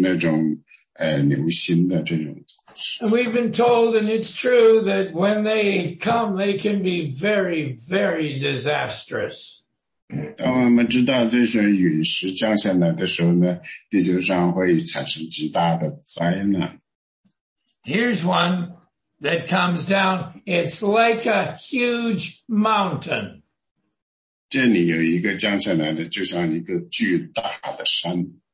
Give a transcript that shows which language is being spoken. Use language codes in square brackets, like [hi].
[zh] 我们今天看到了很多的就是那种流星的这种。 [en] We've been told, and it's true, that when they come, they can be very, very disastrous. [zh] 当我们知道这些陨石降下来的时候呢，地球上会产生极大的灾难。 [en] Here's one that comes down. It's like a huge mountain. [zh] 这里有一个降下来的，就像一个巨大的山。